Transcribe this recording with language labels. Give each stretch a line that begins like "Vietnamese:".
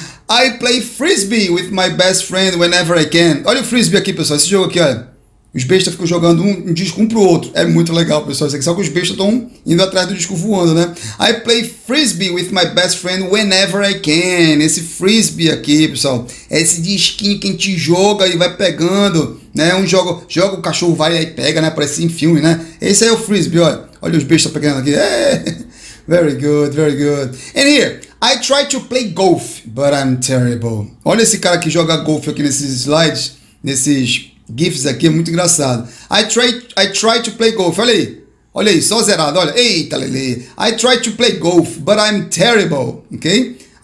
English: I play frisbee with my best friend whenever I can.
Portuguese: Olha o frisbee aqui, pessoal. Esse jogo aqui, olha. Os bestas ficam jogando um disco um pro outro. É muito legal, pessoal. Só que os bestas estão indo atrás do disco voando, né?
English: I play frisbee with my best friend whenever I can.
Portuguese: Esse frisbee aqui, pessoal. É esse disquinho que a gente joga e vai pegando, né? Um jogo, joga o cachorro, vai e aí pega, né? Parece em filme, né? Esse aí é o frisbee, olha. Olha os bestas pegando aqui. É.
English: Very good, very good. And here, I try to play golf, but I'm terrible.
Portuguese: Olha esse cara que joga golfe aqui nesses slides, nesses GIFs aqui, é muito engraçado.
English: I try to play golf,
Portuguese: olha aí. Olha aí, só zerado, olha. Eita, Lele.
English: I try to play golf, but I'm terrible, ok?